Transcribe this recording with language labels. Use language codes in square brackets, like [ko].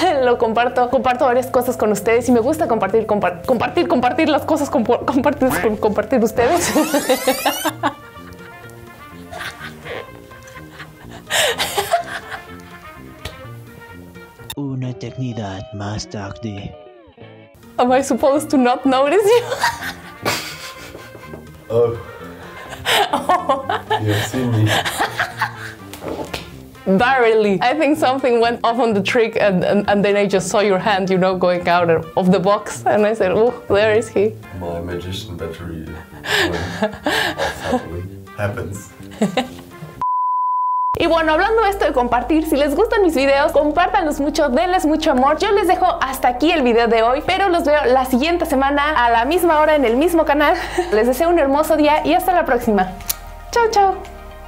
[es] Lo comparto, comparto varias cosas con ustedes y me gusta compartir, compartir las cosas con compartir ustedes. Una eternidad más tarde. [en] Am I supposed to not notice you? Oh. You've seen me. Barely. I think something went off on the trick and then I just saw your hand, you know, going out of the box. And I said, oh, there is he. My magician battery went off. Happens. [es] Y bueno, hablando de esto de compartir, si les gustan mis videos, compártanlos mucho, denles mucho amor. Yo les dejo hasta aquí el video de hoy, pero los veo la siguiente semana a la misma hora en el mismo canal. Les deseo un hermoso día y hasta la próxima. Chao, chao.